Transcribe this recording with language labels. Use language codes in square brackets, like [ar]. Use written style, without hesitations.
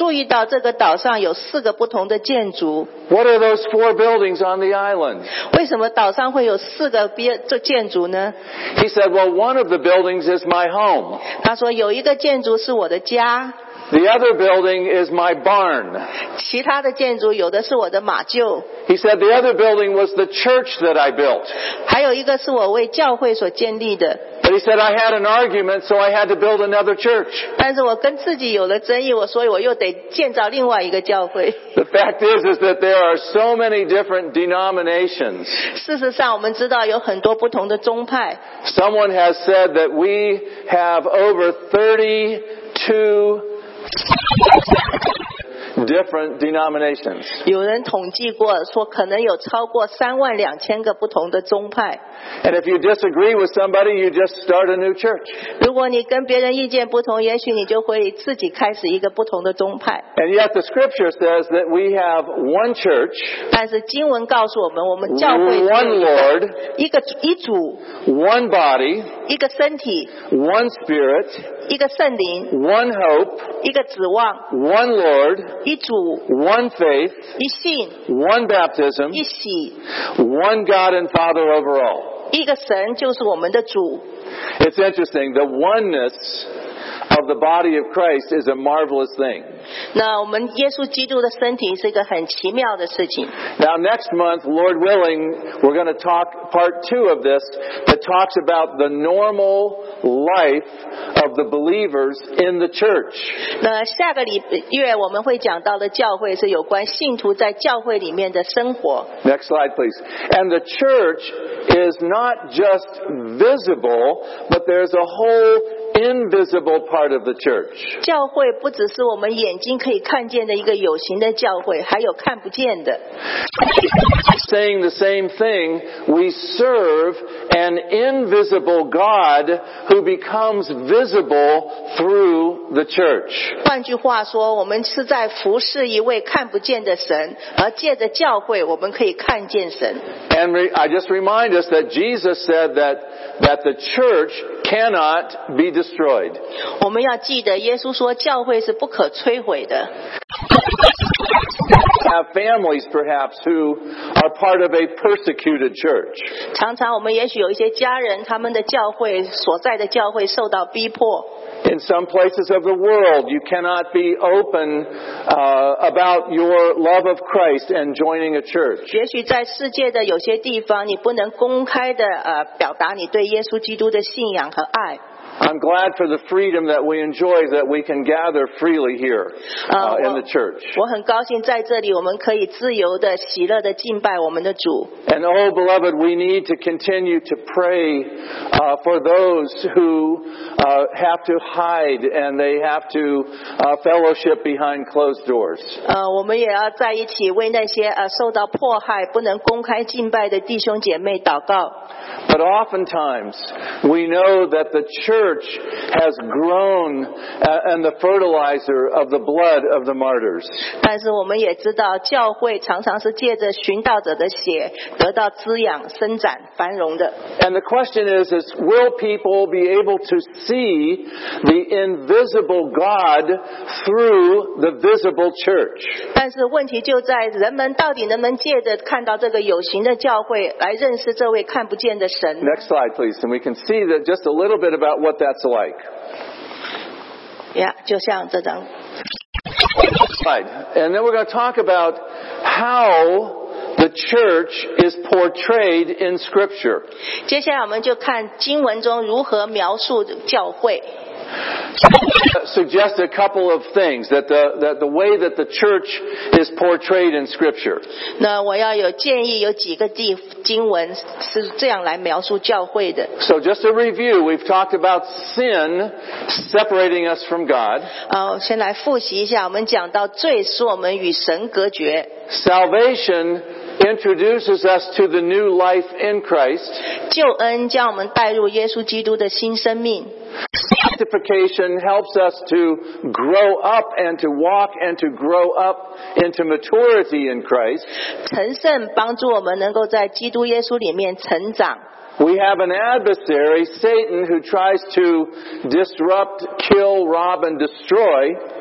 [zh] 所以当那个离开那个岛的时候，那个船长回头说，我注意到这个岛上有四个不同的建筑。 [en] What are those four buildings on the island? [zh] 为什么岛上会有四个建筑呢? [en] He said, well, one of the buildings is my home. [zh] 他说有一个建筑是我的家。 [en] The other building is my barn. [zh] 其他的建筑有的是我的马厩。 [en] He said the other building was the church that I built. [zh] 还有一个是我为教会所建立的。 [en] But he said, I had an argument, so I had to build another church. [zh] 但是我跟自己有了争议，所以我又得建造另外一个教会。 [en] The fact is that there are so many different denominations. [zh] 事实上，我们知道有很多不同的宗派。 [en] Someone has said that we have over 32 different denominations. [zh] 有人统计过说可能有超过32000个不同的宗派。 [en] And if you disagree with somebody, you just start a new church. [zh] 如果你跟别人意见不同，也许你就会自己开始一个不同的宗派。 [en] And yet the scripture says that we have one church. [zh] 但是经文告诉我们，我们教会 [en] one Lord, [zh] 一组 [en] one body, [zh] 一个身体 [en] one spirit, [zh] 一个圣灵 [en] one hope, [zh] 一个指望 [en] one Lord, [zh] 一组 [en] one faith, [zh] 一信 [en] one baptism, [zh] 一洗 [en] one God and Father over all, [zh] 一个神就是我们的主。 [en] It's interesting, the oneness of the body of Christ is a marvelous thing. [zh] 那我们耶稣基督的身体是一个很奇妙的事情。 [en] Now next month, Lord willing, we're going to talk part two of this that talks about the normal life of the believers in the church. [zh] 那下个礼月我们会讲到的教会是有关信徒在教会里面的生活。 [en] Next slide, please. And the church is not just visible, but there's a whole invisible part of the church. [zh] 教会不只是我们眼睛可以看见的一个有形的教会，还有看不见的。 [en] Saying the same thing, we serve an invisible God who becomes visible through the church. [zh] 换句话说，我们是在服侍一位看不见的神，而借着教会，我们可以看见神。 [en] And I just remind us that Jesus said that the church cannot be destroyed. [zh] 我们要记得耶稣说教会是不可摧毁的。 [en] Have families perhaps who are part of a persecuted church. [zh] 常常我们也许有一些家人他们的教会所在的教会受到逼迫。 [en] In some places of the world, you cannot be open about your love of Christ and joining a church. [zh] 也许在世界的有些地方，你不能公开的表达你对耶稣基督的信仰和爱。 [en] I'm glad for the freedom that we enjoy, that we can gather freely here in the church. [zh] 我很高兴在这里，我们可以自由的、喜乐的敬拜我们的主。 [en] And oh, beloved, we need to continue to pray for those who have to hide and they have to fellowship behind closed doors. [zh] 我们也要在一起为那些受到迫害、不能公开敬拜的弟兄姐妹祷告。 [en] But oftentimes, we know that the church has grown and the fertilizer of the blood of the martyrs. [zh] 但是我们也知道，教会常常是借着殉道者的血得到滋养、生长、繁荣的。 [en] And the question is, will people be able to see the invisible God through the visible church? [zh] 但是问题就在人们到底能不能借着看到这个有形的教会来认识这位看不见的神。 [en] Next slide, please, and we can see that just a little bit about what that's like. [zh] Yeah, 就像这张。 [en] Right, and then we're going to talk about how the church is portrayed in Scripture. [zh] 接下来我们就看经文中如何描述教会。 [en] Suggest a couple of things that the way that the church is portrayed in Scripture. [zh] 那我要有建议，有几个地经文是这样来描述教会的。 [en] So just a review, we've talked about sin separating us from God. [zh] 先来复习一下，我们讲到罪使我们与神隔绝。 [en] Salvation introduces us to the new life in Christ. [zh] 救恩将我们带入耶稣基督的新生命。 [en] Sanctification helps us to grow up and to walk and to grow up into maturity in Christ. [zh] 成圣帮助我们能够在基督耶稣里面成长。 [en] We have an adversary, Satan, who tries to disrupt, kill, rob, and destroy.